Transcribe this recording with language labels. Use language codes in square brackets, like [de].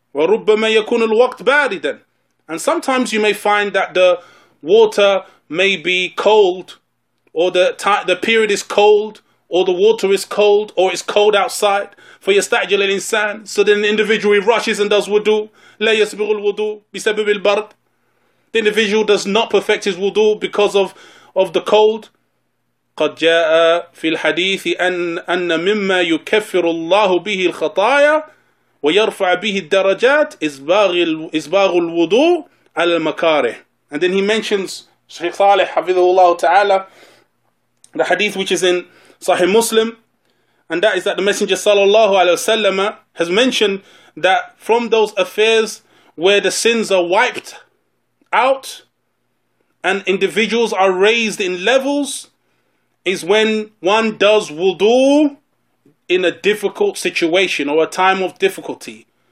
[ar] وَرُبَّمَا يَكُونُ الْوَقْتْ بَارِدًا. [en] And sometimes you may find that the water may be cold, or the period is cold, or the water is cold, or it's cold outside. For your stature, in sand, so then the individual rushes and does wudu. [ar] لا يسبغ الوضوء بسبب البرد. [en] The individual does not perfect his wudu because of the cold. [ar] قد جاء في الحديث أن مما يكفر الله به الخطايا ويرفع به الدرجات إسباغ الوضوء على المكاره. [en] And then he mentions Shaykh Saleh [ar] حفظه الله تعالى, [en] the hadith which is in Sahih Muslim, and that is that the Messenger sallallahu alaihi wasallam has mentioned that from those affairs where the sins are wiped out and individuals are raised in levels is when one does wudu in a difficult situation or a time of difficulty.